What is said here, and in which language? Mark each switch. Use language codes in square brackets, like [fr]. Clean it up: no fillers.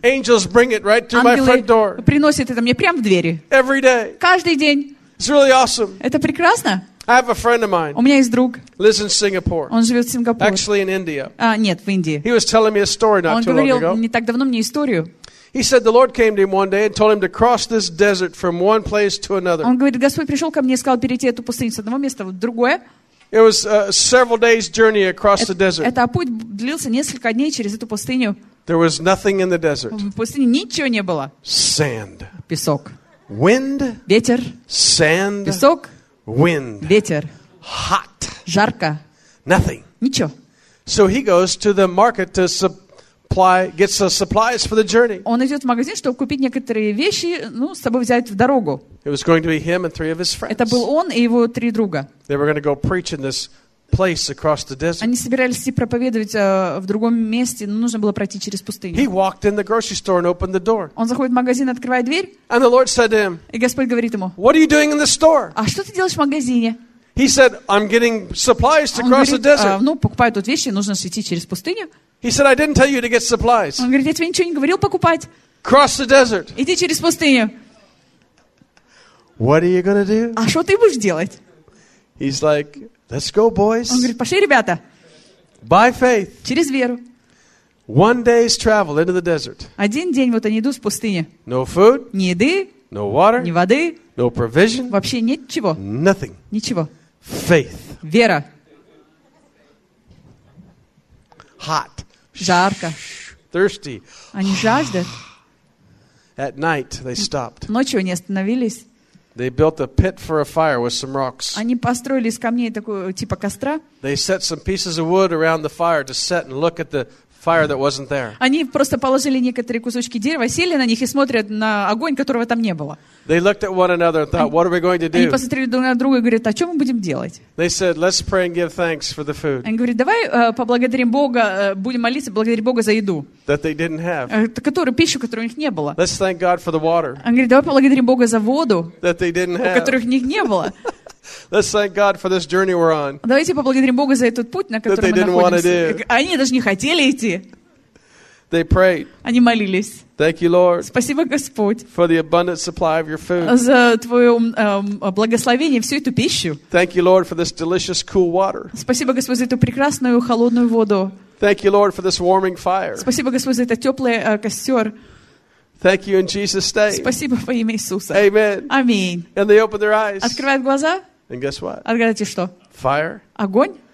[en] Angels bring it right to my front door. [ru] Ангелы приносят это мне прямо в двери. [en] Every day. [ru] Каждый день. [en] It's really awesome. [ru] Это прекрасно. [en] I have a friend of mine. [ru] У меня есть друг. [en] Lives in Singapore. [ru] Он живет в Сингапуре. [en] Actually in India. [ru] А, нет, в Индии. [en] He was telling me a story not [ru] Он [en] too long ago. [ru] Он говорил не так давно мне историю. [en] He said the Lord came to him one day and told him to cross this desert from one place to another. [ru] Он говорит, Господь пришел ко мне и сказал перейти эту пустыню с одного места в другое. [en] It was a several days journey across the desert. [ru] Это путь длился несколько дней через эту пустыню. [en] There was nothing in the desert. [ru] В пустыне ничего не было. [en] Sand. [ru] Песок. [en] Wind. [ru] Ветер. [en] Sand. [ru] Песок. [en] Wind. [ru] Ветер. [en] Hot. [ru] Жарко. [en] Nothing. [ru] Ничего. [en] So he goes to the market to supply, gets the supplies for the journey. [ru] Он идет в магазин, чтобы купить некоторые вещи, ну, с собой взять в дорогу. [en] It was going to be him and three of his friends. [ru] Это был он и его три друга. [en] They were going to go preach in this place across the desert. [ru] Они собирались идти проповедовать в другом месте, но нужно было пройти через пустыню. [en] He walked in the grocery store and opened the door. [ru] Он заходит в магазин, открывает дверь. [en] And the Lord said to him. [ru] И Господь говорит ему. [en] What are you doing in the store? [ru] А что ты делаешь в магазине? [en] He said, I'm getting supplies to cross the desert. [ru] Он говорит, ну, покупаю тут вещи, нужно идти через пустыню. [en] He said, I didn't tell you to get supplies. [ru] Он говорит, я тебе ничего не говорил покупать. [en] Cross the desert. [ru] Иди через пустыню. [en] What are you going to do? [ru] А что ты будешь делать? [en] He's like, Let's go, boys. [ru] Он говорит, пошли, ребята. [en] By faith. [ru] Через веру. [en] One day's travel into the desert. [ru] Один день вот они идут в пустыне. [en] No food. [ru] Ни еды. [en] No water. [ru] Ни воды. [en] No provision. [ru] Вообще ничего. [en] Nothing. [ru] Ничего. [en] Faith. [ru] Вера. [en] Hot. [ru] Жарко. [en] thirsty. [ru] Они жаждут. [en] At night they stopped. [ru] Ночью они остановились. [en] They built a pit for a fire with some rocks. [ru] Они построили из камней такой типа костра. [en] They set some pieces of wood around the fire to sit and look at the fire that wasn't there. [ru] Они просто положили некоторые кусочки дерева, сели на них и смотрят на огонь, которого там не было. [en] They looked at one another and thought, "What are we going to do?" [ru] Они посмотрели друг на друга и говорят, "А что мы будем делать?" [en] They said, "Let's pray and give thanks for the food." [ru] Они говорят, "Давай поблагодарим Бога, будем молиться, благодарим Бога за еду." [en] That they didn't have. [ru] Которую пищу, которую у них не было. [en] Let's thank God for the water. [ru] Они говорят, "Давай поблагодарим Бога за воду." [en] That they didn't have. [ru] Которую у них не было. [en] Let's thank God for this journey we're on. [ru] Давайте поблагодарим Бога за этот путь, на котором мы находимся. Они даже не хотели идти. [en] They prayed. [ru] Они молились. [en] Thank you, Lord. [ru] Спасибо, Господь. [en] For the abundant supply of your food. [ru] За твое благословение, всю эту пищу. [en] Thank you, Lord, for this delicious cool water. [ru] Спасибо, Господь, за эту прекрасную холодную воду. [en] Thank you, Lord, for this warming fire. [ru] Спасибо, Господь, за этот теплый костер. [en] Thank you in Jesus' name. [ru] Спасибо во имя Иисуса. [en] Amen. [ru] Аминь. [en] And they open their eyes. [ru] Открывают глаза. [en] And guess what? [ru] Отгадайте что? [en] Fire. [ru] Огонь.